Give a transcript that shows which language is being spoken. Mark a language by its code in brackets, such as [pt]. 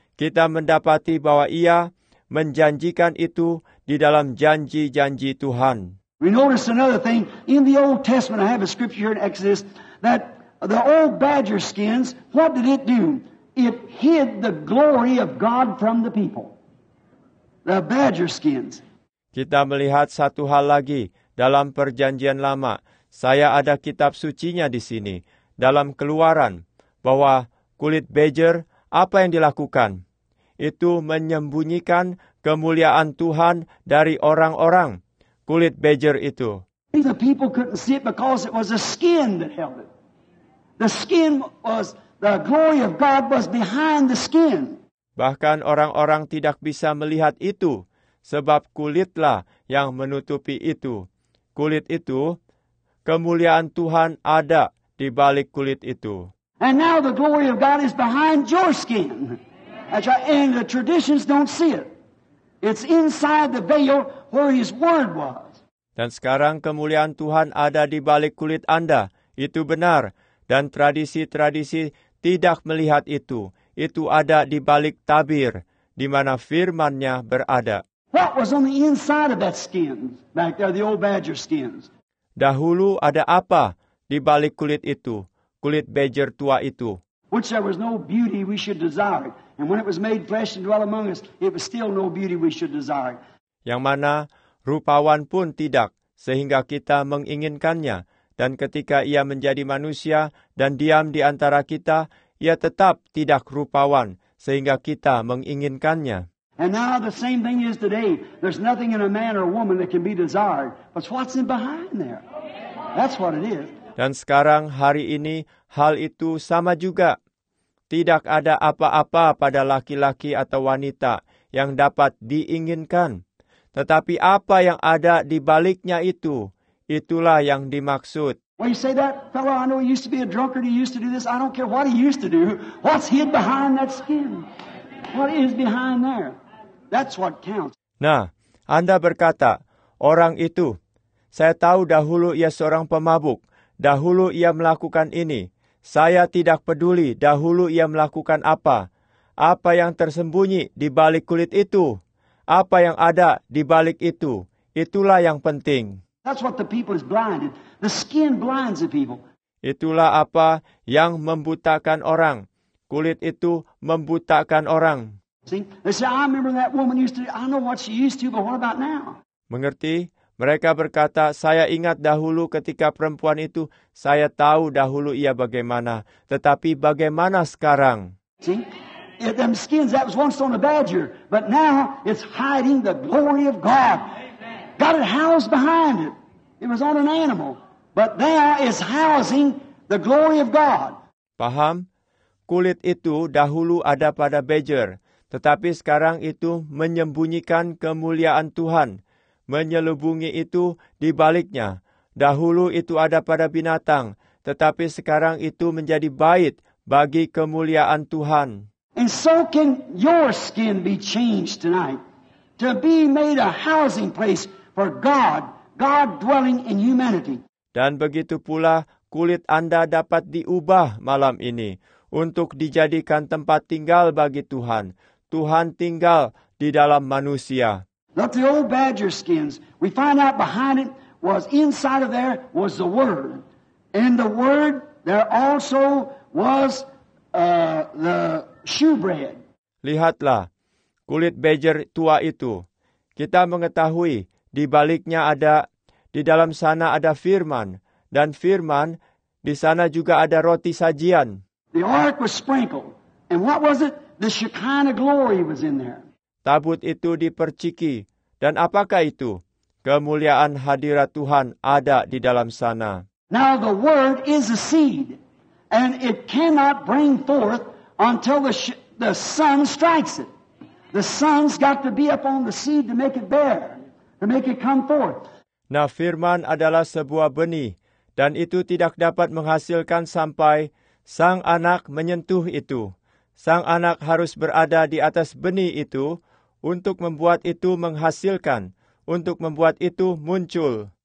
[id] Kita mendapati bahwa ia menjanjikan itu di dalam janji-janji Tuhan. [en] We notice another thing in the Old Testament. I have a scripture here in Exodus that the old badger skins, what did it do? It hid the glory of God from the people. The badger skins. [id] Kita melihat satu hal lagi dalam Perjanjian Lama. Saya ada kitab sucinya di sini dalam Keluaran bahwa kulit badger apa yang dilakukan? Itu menyembunyikan kemuliaan Tuhan dari orang-orang. Kulit badger itu. [en] The people couldn't see it because it was a skin that held it. The skin was, the glory of God was behind the skin. [id] Bahkan orang-orang tidak bisa melihat itu, sebab kulitlah yang menutupi itu. kulit itu, kemuliaan Tuhan ada di balik kulit itu. [en] And now the glory of God is behind your skin. And the traditions don't see it. It's inside the veil where His word was. [id] Dan sekarang kemuliaan Tuhan ada di balik kulit Anda. Itu benar. Dan tradisi-tradisi tidak melihat itu. Itu ada di balik tabir, di mana firman-Nya berada. [en] What was on the inside of that skin back there, the old badger skins? [id] Dahulu ada apa di balik kulit itu, kulit badger tua itu? [en] Which there was no beauty we should desire. And when it was made flesh and dwell among us, it was still no beauty we should desire. [id] Yang mana rupawan pun tidak, sehingga kita menginginkannya. Dan ketika ia menjadi manusia dan diam di antara kita, ia tetap tidak rupawan, sehingga kita menginginkannya. [en] And now the same thing is today. There's nothing in a man or a woman that can be desired. But what's in behind there? That's what it is. [id] Dan sekarang, hari ini, hal itu sama juga. Tidak ada apa-apa pada laki-laki atau wanita yang dapat diinginkan. Tetapi apa yang ada di baliknya itu, itulah yang dimaksud. [en] Well, you say that fellow, I know he used to be a drunkard, he used to do this, I don't care what he used to do, what's hid behind that skin? What is behind there? That's what counts. [id] Nah, Anda berkata, orang itu, saya tahu dahulu ia seorang pemabuk, dahulu ia melakukan ini, saya tidak peduli dahulu ia melakukan apa. Apa yang tersembunyi di balik kulit itu, apa yang ada di balik itu, itulah yang penting. [en] That's what the people is blinded. The skin blinds the people. [id] Itulah apa yang membutakan orang. Kulit itu membutakan orang. [en] See, they say, I remember that woman used to, I know what she used to, but what about now? [id] Mengerti? Mereka berkata, saya ingat dahulu ketika perempuan itu, saya tahu dahulu ia bagaimana. Tetapi bagaimana sekarang? [en] See, them skins, that was once on a badger, but now it's hiding the glory of God. Got it housed behind it. It was on an animal. But there is housing the glory of God. [id] Paham? Kulit itu dahulu ada pada badger. Tetapi sekarang itu menyembunyikan kemuliaan Tuhan. Menyelubungi itu di baliknya. Dahulu itu ada pada binatang. Tetapi sekarang itu menjadi bait bagi kemuliaan Tuhan. [en] And so can your skin be changed tonight to be made a housing place for God, God dwelling in humanity. [id] Dan begitu pula kulit Anda dapat diubah malam ini untuk dijadikan tempat tinggal bagi Tuhan. Tuhan tinggal di dalam manusia. [en] Not the old badger skins. We find out behind it was inside of there was the Word. In the Word there also was the shewbread. [id] Lihatlah kulit badger tua itu. Kita mengetahui di baliknya ada, di dalam sana ada firman. Dan firman, di sana juga ada roti sajian. [en] The ark was sprinkled. And what was it? The Shekinah glory was in there. [id] Tabut itu diperciki. Dan apakah itu? Kemuliaan hadirat Tuhan ada di dalam sana. [en] Now the word is a seed. And it cannot bring forth until the sun strikes it. The sun's got to be up on the seed to make it bear. To make it come forth. [id] Nah, firman adalah sebuah benih, dan itu tidak dapat menghasilkan sampai sang anak menyentuh itu. Sang anak harus berada di atas benih itu untuk membuat itu menghasilkan, untuk membuat itu muncul.